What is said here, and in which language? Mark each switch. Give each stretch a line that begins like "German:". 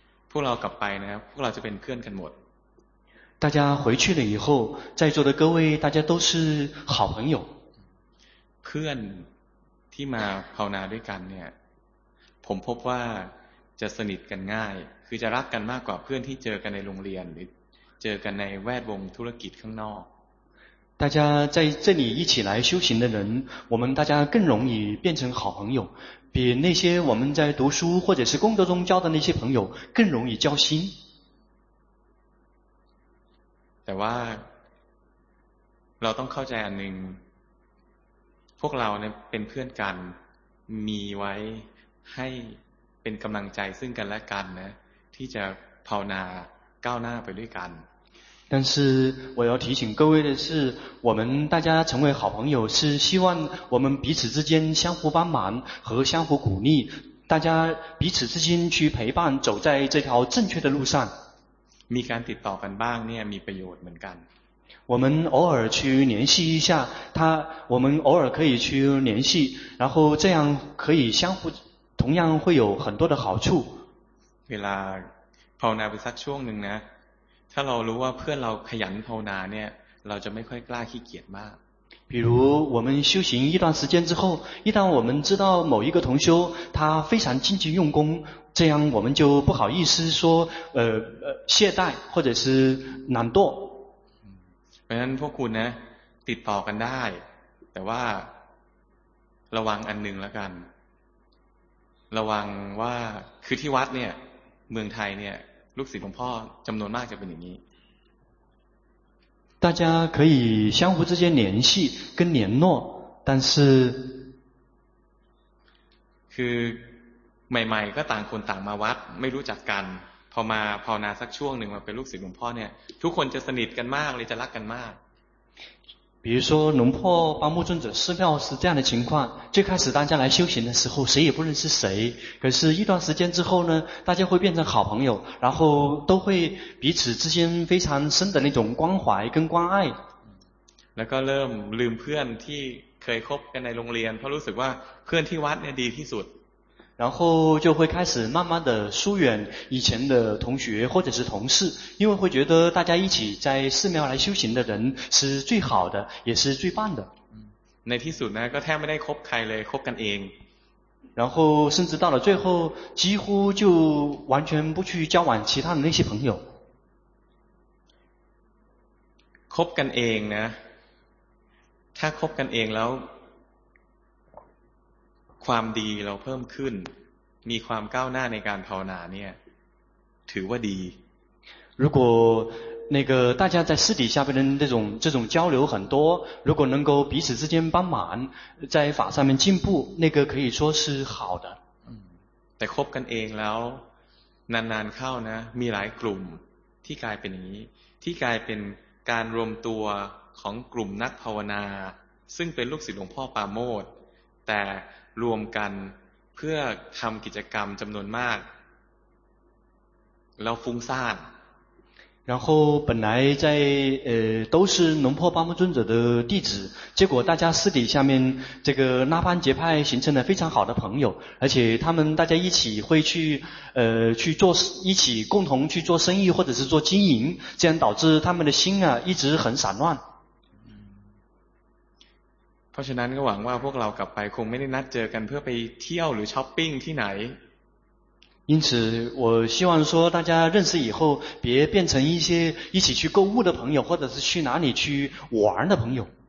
Thai: พวกเรากลับไปนะครับพวกเราจะเป็นเพื่อนกันหมด
Chinese: 大家回去了以后，在座的各位大家都是好朋友。
Thai: เพื่อนที่มาภาวนาด้วยกันเนี่ยผมพบว่าจะสนิทกันง่ายคือจะรักกันมากกว่าเพื่อนที่เจอกันในโรงเรียนหรือเจอกันในแวดวงธุรกิจข้างนอก
Chinese: 大家在这里一起来修行的人，我们大家更容易变成好朋友，比那些我们在读书或者是工作中交的那些朋友更容易交心。
Thai: แต่ว่าเราต้องเข้าใจอันหนึ่งพวกเราเนี่ยเป็นเพื่อนกันมีไว้ให้เป็นกำลังใจซึ่งกันและกันนะที่จะภาวนาก้าวหน้าไปด้วยกัน
Chinese: 但是我要提醒各位的是，我们大家成为好朋友是希望我们彼此之间相互帮忙和相互鼓励，大家彼此之间去陪伴走在这条正确的路上。
Thai: มีการติดต่อกันบ้างเนี่ยมีประโยชน์เหมือนกัน
Chinese: 我们偶尔去联系一下他，我们偶尔可以去联系，然后这样可以相互，同样会有很多的好处。
Thai: เวลาภาวนาไปสักช่วงหนึ่งนะถ้าเรารู้ว่าเพื่อนเราขยันภาวนาเนี่ยเราจะไม่ค่อยกล้าขี้เกียจมาก
Chinese: 比如我们修行一段时间之后，一旦我们知道某一个同修他非常积极用功，这样我们就不好意思说懈怠或者是懒惰。
Thai: เพราะฉะนั้นพวกคุณนะติดต่อกันได้แต่ว่าระวังอันนึงแล้วกันระวังว่าคือที่วัดเนี่ยเมืองไทยเนี่ยลูกศิษย์หลวงพ่อจำนวนมากจะเป็นอย่างนี้
Chinese: 大家可以相互之间联系跟联络但是
Thai: คือใหม่ๆก็ต่างคนต่างมาวัดไม่รู้จักกันพอมาภาวนาสักช่วงหนึ่งมาเป็นลูกศิษย์หลวงพ่อเนี่ยทุกคนจะสนิทกันมากเลยจะรักกันมาก
Chinese: 比如说龙破八木尊者寺庙是这样的情况，最开始大家来修行的时候，谁也不认识谁。可是，一段时间之后呢，大家会变成好朋友，然后都会彼此之间非常深的那种关怀跟关爱。
Thai: แล้วก็เริ่มลืมเพื่อนที่เคยคบกันในโรงเรียนเพราะรู้สึกว่าเพื่อนที่วัดเนี่ยดีที่สุด。
Chinese: 然后就会开始慢慢的疏远以前的同学或者是同事，因为会觉得大家一起在寺庙来修行的人是最好的，也是最棒的。
Thai: ในที่สุดนะก็แทบไม่ได้คบใครเลยคบกันเอง。
Chinese: 然后甚至到了最后，几乎就完全不去交往其他的那些朋友。
Thai: คบกันเองนะถ้าคบกันเองแล้วความดีเราเพิ่มขึ้นมีความก้าวหน้าในการภาวนาเนี่ยถือว่าดี
Chinese: 如果那个大家在私底下跟人这种交流很多如果能够彼此之间帮忙在法上面进步那个可以说是好的
Thai: แต่คบกันเองแล้วนานๆเข้านะมีหลายกลุ่มที่กลายเป็นอย่างนี้ที่กลายเป็นการรวมตัวของกลุ่มนักภาวนาซึ่งเป็นลูกศิษย์หลวงพ่อปาโมดแต่รวมกันเพื่อทำกิจกรรมจำนวนมากแล้วฟุ้งซ่าน
Chinese: 然后本来在都是龙破八木尊者的弟子，结果大家私底下面这个拉帮结派形成了非常好的朋友，而且他们大家一起会去做一起共同去做生意或者是做经营，这样导致他们的心啊一直很散乱。
Thai: เพราะฉะนั้นก็หวังว่าพวกเรากลับไปคงไม่ได้นัดเจอกันเพื่อไปเที่ยวหรือช้อปปิ้งที่ไหน
Chinese: 因此我希望说大家认识以后别变成一些一起去购物的朋友或者是去哪里去玩的朋友